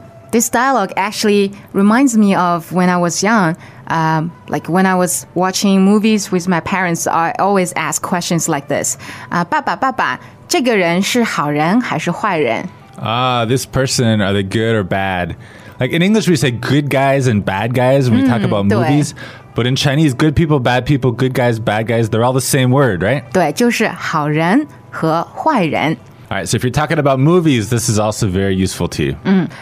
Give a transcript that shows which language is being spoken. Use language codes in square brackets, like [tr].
[en] This dialogue actually reminds me of when I was young. Like when I was watching movies with my parents, I always ask questions like this. [zh] 爸爸,这个人是好人还是坏人? [en] This person, are they good or bad? Like in English, we say good guys and bad guys when we talk about movies. But in Chinese, good people, bad people, good guys, bad guys, they're all the same word, right? [zh] 对,就是好人和坏人。 [en] All right, so if you're talking about movies, this is also very useful to you.